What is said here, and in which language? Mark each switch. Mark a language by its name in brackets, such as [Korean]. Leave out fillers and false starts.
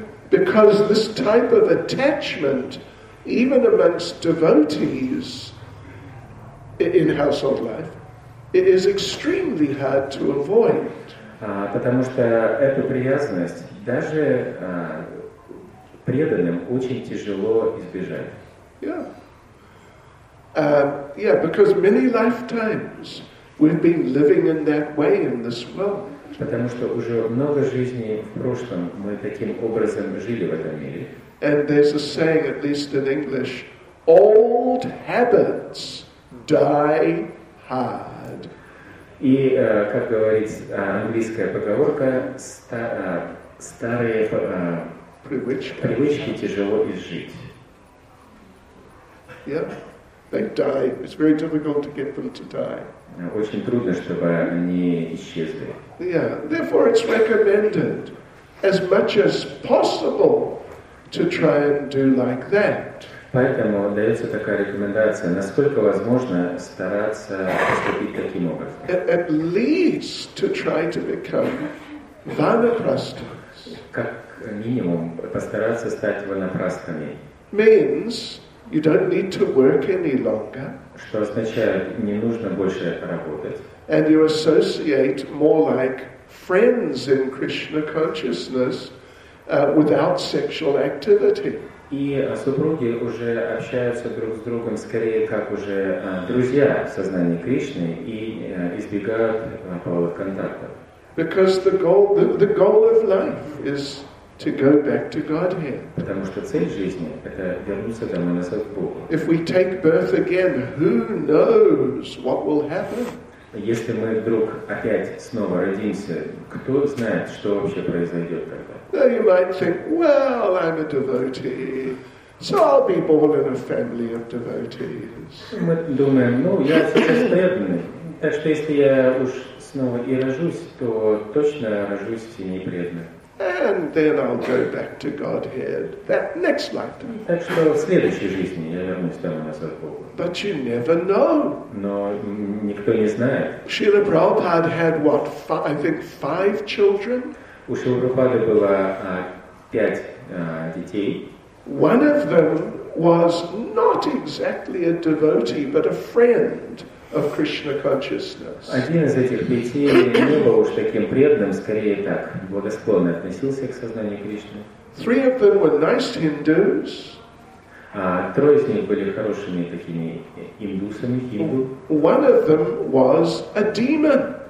[English] Because this type of attachment, even amongst devotees in household life, it is extremely hard to avoid. [Russian] Потому что эту привязанность даже преданным очень тяжело избежать. [English] Yeah. Yeah, because many lifetimes we've been living in that way in this world. [Russian] Потому что уже много жизней в прошлом мы таким образом жили в этом мире. [English] And there's a saying, at least in English, old habits die hard. [Russian] И как говорит английская поговорка, старые привычки тяжело изжить. [English] Yeah. They die. It's very difficult to get them to die. [Russian] Очень трудно, чтобы они исчезли. [English] Yeah. Therefore, it's recommended, as much as possible, to try and do like that. [Russian] Поэтому дается такая рекомендация, насколько возможно стараться поступить таким образом. [English] At least to try to become vanaprastas. [Russian] Как минимум постараться стать ванапрастами. [English] Means. You don't need to work any longer. [Russian] Что означает, не нужно больше работать. [English] And you associate more like friends in Krishna consciousness without sexual activity. [Russian] И супруги уже общаются друг с другом скорее как уже друзья в сознании Кришны и избегают половых контактов. [English] Because the goal of life is to go back to Godhead. [Russian] Потому что цель жизни — это вернуться домой назад к Богу. [English] If we take birth again, who knows what will happen? [Russian] Если мы вдруг опять снова родимся, кто знает, что вообще произойдет тогда? [English] Now you might think, well, I'm a devotee, so I'll be born in a family of devotees. [Russian] Мы думаем, ну, я сверхъестественный, так что если я уж снова и рожусь, то точно рожусь в семье преданных. [English] And then I'll go back to Godhead that next lifetime. [Russian] Так что в следующей жизни я вернусь домой назад к Богу. [English] But you never know. [Russian] Но никто не знает. [English] Шрила Прабхупада had what, five children? [Russian] У Шрилы Прабхупады было пять детей. [English] One of them was not exactly a devotee, but a friend of Krishna consciousness. [Russian] Один из этих детей не был уж таким преданным, скорее так, благосклонно относился к сознанию Кришны. [English] Three of them were nice Hindus. [Russian] Трое из них были хорошими такими индусами, хинду. [English] One of them was a demon.